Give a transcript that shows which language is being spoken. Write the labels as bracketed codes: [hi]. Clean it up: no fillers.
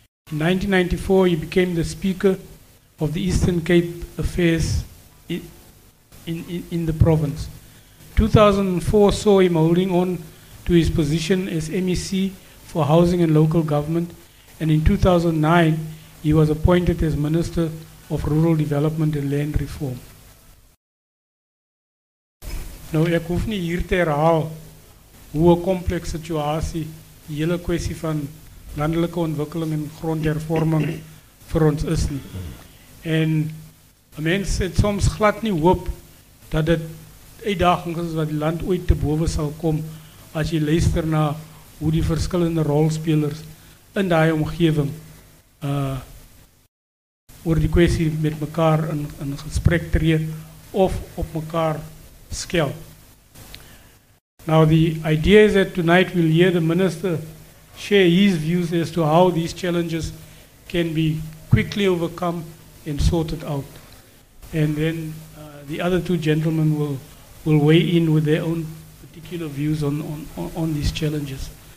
[en] In 1994, he became the Speaker of the Eastern Cape Affairs in the province. 2004 saw him holding on to his position as MEC for Housing and Local Government. And in 2009, he was appointed as Minister of Rural Development and Land Reform. [af] Nou, ek hoef nie hier te herhaal hoe 'n komplekse situasie die hele kwessie van landelike ontwikkeling en grondhervorming vir ons is nie. En 'n mens het soms glad nie hoop dat dit uitdagings is wat die land ooit te bowe sal kom, as jy luister na hoe die verskillende rolspelers in die omgeving oor die kwestie met mekaar in gesprek tree of op mekaar skel. [en] Now the idea is that tonight we'll hear the minister share his views as to how these challenges can be quickly overcome and sorted out. And then the other two gentlemen will weigh in with their own particular views on these challenges.